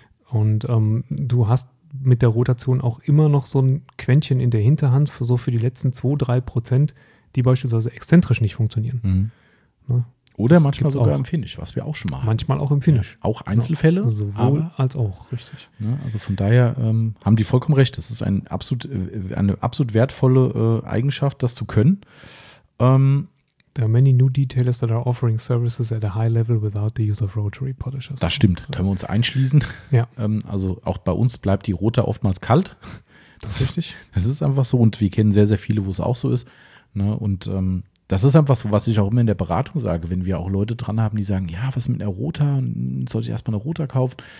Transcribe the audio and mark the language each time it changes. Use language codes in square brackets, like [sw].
[de] Und du hast mit der Rotation auch immer noch so ein Quäntchen in der Hinterhand, so für die letzten 2-3%, die beispielsweise exzentrisch nicht funktionieren. Mhm. Ne? Oder das manchmal sogar im Finish, was wir auch schon machen. Manchmal auch im Finish. Ja, auch Einzelfälle. Genau. Sowohl als auch, richtig. Ne? Also von daher haben die vollkommen recht. Das ist eine absolut wertvolle Eigenschaft, das zu können. [en] There are many new detailers that are offering services at a high level without the use of rotary polishers. [de] Das stimmt, können wir uns einschließen. Ja. Also auch bei uns bleibt die Rota oftmals kalt. Das ist richtig. Das ist einfach so und wir kennen sehr, sehr viele, wo es auch so ist. Und das ist einfach so, was ich auch immer in der Beratung sage, wenn wir auch Leute dran haben, die sagen, ja, was mit einer Rota, soll ich erstmal eine Rota kaufen?